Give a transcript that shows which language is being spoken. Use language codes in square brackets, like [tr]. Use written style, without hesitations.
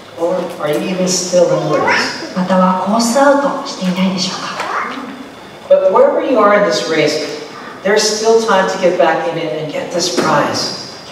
[en] Or are you even still in the race? [ja] またはコースアウトしていないでしょうか? [en] But wherever you are in this race, there's still time to get back in it and get this prize.